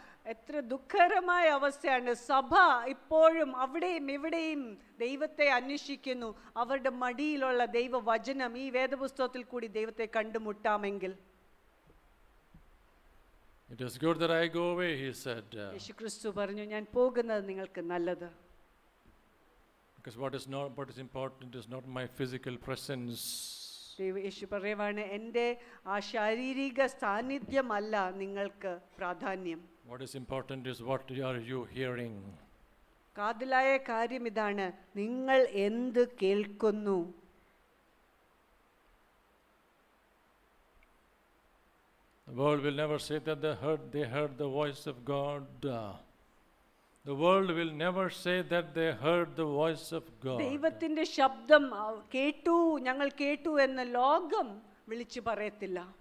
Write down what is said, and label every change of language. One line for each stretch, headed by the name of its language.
Malayalam: എത്ര ദുഃഖകരമായ അവസ്ഥയാണ്, സഭ ഇപ്പോഴും അവിടെയും ഇവിടെയും ദൈവത്തെ അന്വേഷിക്കുന്നു, അവരുടെ മടിയിലുള്ള ദൈവ വചനം ഈ വേദപുസ്തകത്തിൽ കൂടി ദൈവത്തെ കണ്ടുമുട്ടാമെങ്കിൽ.
English: It is good that I go away, he said.
Malayalam: യേശു ക്രിസ്തു പറഞ്ഞു, ഞാൻ പോകുന്നത് നിങ്ങൾക്ക് നല്ലത്.
English: Because what is important is not my physical presence.
Malayalam: യേശു പറയുവാണ്, എൻ്റെ ആ ശാരീരിക സാന്നിധ്യമല്ല നിങ്ങൾക്ക് പ്രാധാന്യം.
English: What is important is what are you hearing.
Malayalam: കാതിലായ കാര്യം ഇതാണ്, നിങ്ങൾ എന്ത് കേൾക്കുന്നു.
English: The world will never say that they heard the voice of God. The world will never say that they heard the voice of God.
Malayalam: ദൈവത്തിന്റെ ശബ്ദം കേട്ടു, ഞങ്ങൾ കേട്ടു എന്ന് ലോകം വിളിച്ചു പറയത്തില്ല.